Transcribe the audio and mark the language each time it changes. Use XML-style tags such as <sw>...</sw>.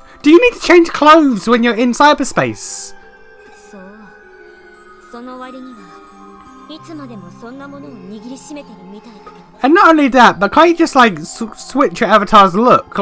<en>Do you need to change clothes when you're in cyberspace?</en> <ja>そう。その割にはいつまでもそんなものを握りしめてるみたいだけど。</ja> <en>And not only that, but can't you just like switch your avatar's look?</en>